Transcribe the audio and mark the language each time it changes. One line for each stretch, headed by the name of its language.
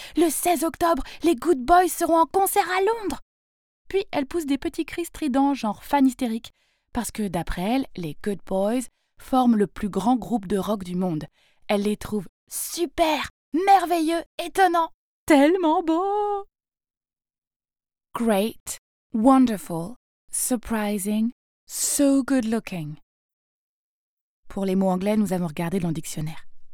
French: Le 16 octobre, les Good Boys seront en concert à Londres! Puis elle pousse des petits cris stridents, genre fan hystérique. Parce que d'après elle, les Good Boys forment le plus grand groupe de rock du monde. Elle les trouve super, merveilleux, étonnants, tellement beaux!
English: Great, wonderful, surprising, so good looking.
French: Pour les mots anglais, nous avons regardé dans le dictionnaire.